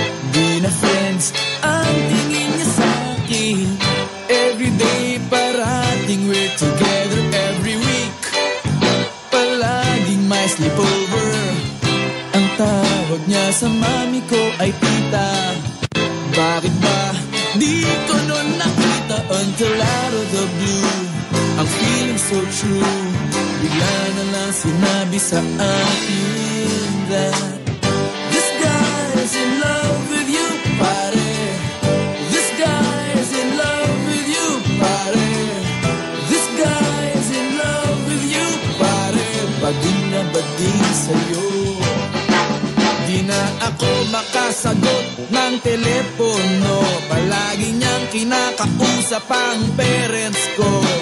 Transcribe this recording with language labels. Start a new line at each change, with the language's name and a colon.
Filipino: Di na friends ang tingin niya sa akin.
English: Every day
Filipino: parating
English: we're together. Every week
Filipino: palaging may
English: sleepover. Ang tawag niya sa mami ko ay tita.
Filipino: Bakit ba di ko nun nakita?
English: Until out of the blue I'm feeling so true.
Filipino: Bigla na lang sinabi sa akin
English: that this guy is in love with you, pare. This guy is in love with you, pare. This guy is in love with you, pare.
Filipino: Badin na badin sa'yo. Di na ako makasagot ng telepono. Palagi niyang kinakausap ang parents ko.